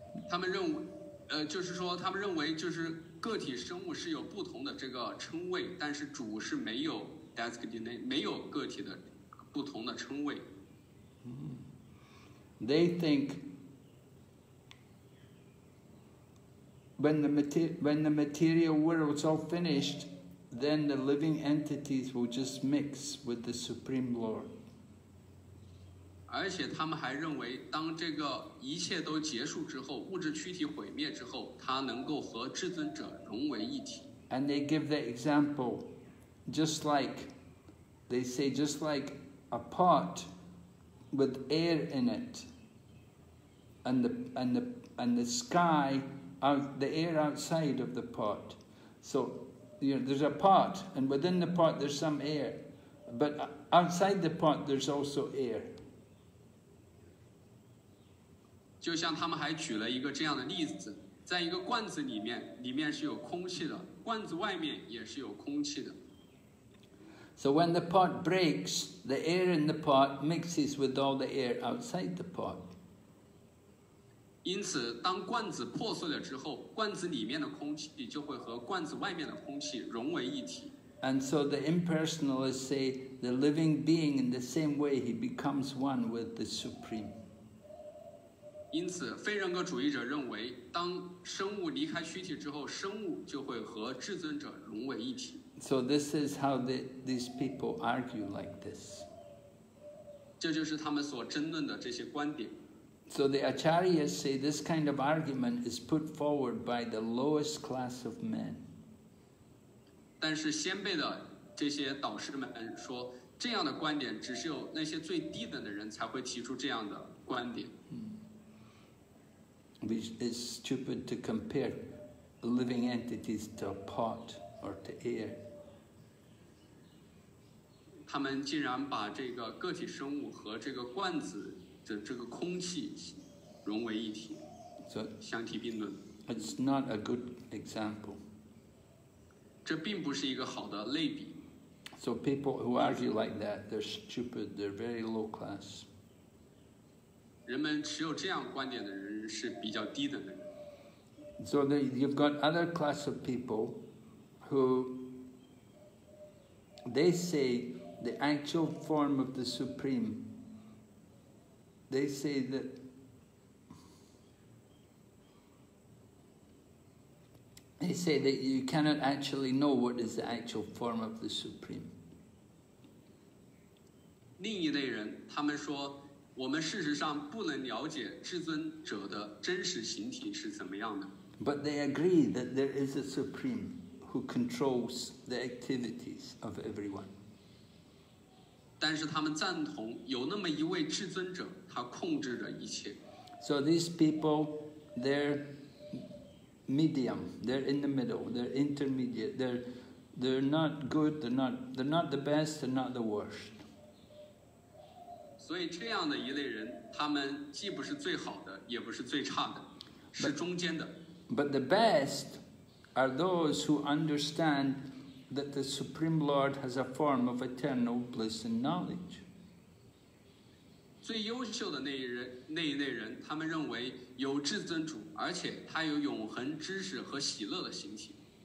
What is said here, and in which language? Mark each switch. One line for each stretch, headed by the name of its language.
Chinese: 他们认为，就是说，他们认为就是个体生物是有不同的这个称谓，但是主是没有 designation， 没有个体的不同的称谓。
English: They think. When the material world is all finished, then the living entities will just mix with the Supreme Lord.
Chinese: 而且他们还认为，当这个一切都结束之后，物质躯体毁灭之后，它能够和至尊者融为一体。
English: And they give the example, just like a pot with air in it, and the sky. The air outside of the pot. So, you know, there's a pot, and within the pot there's some air. But outside the pot there's also air.
Chinese: 就像他们还举了一个这样的例子，在一个罐子里面是有空气的，罐子外面也是有空气的。
English: So when the pot breaks, the air in the pot mixes with all the air outside the pot.
Chinese: 因此当罐子破碎了之后罐子里面的空气就会和罐子外面的空气融为一体。
English: And so the impersonalists say the living being in the same way he becomes one with the supreme.
Chinese: 因此非人格主义者认为当生物离开躯体之后生物就会和至尊者融为一体。
English: So this is how these people argue like this.
Chinese: 这就是他们所争论的这些观点。
English: So the Acharyas say this kind of argument is put forward by the lowest class of men.
Chinese: 但是先辈的这些导师们说，这样的观点只是有那些最低等的人才会提出这样的观点。
English: Which is stupid to compare living entities to a pot or to air.
Chinese: 他们竟然把这个个体生物和这个罐子这个空气融为一体，相提并论。
English: It's not a good example.
Chinese: 这并不是一个好的类比。
English: So people who argue like that, they're stupid, they're very low class.
Chinese: 人们持有这样观点的人是比较低的人。
English: So you've got other class of people who they say the actual form of the Supreme. They say that you cannot actually know what is the actual form of the Supreme.
Chinese: 另一类人，他们说，我们事实上不能了解至尊者的真实形体是怎么样的。
English: But they agree that there is a Supreme who controls the activities of everyone.
Chinese: 但是他们赞同有那么一位至尊者，他控制着一切。
English: So these people they're medium, they're in the middle, they're intermediate, they're not good, they're not the best, they're not the worst.
Chinese: 所以这样的一类人，他们既不是最好的，也不是最差的，是中间的。
English: But the best are those who understand that the Supreme Lord has a form of eternal bliss and knowledge.
Chinese: 最优秀的那一类人，他们认为有至尊主，而且他有永恒知识和喜乐的形体。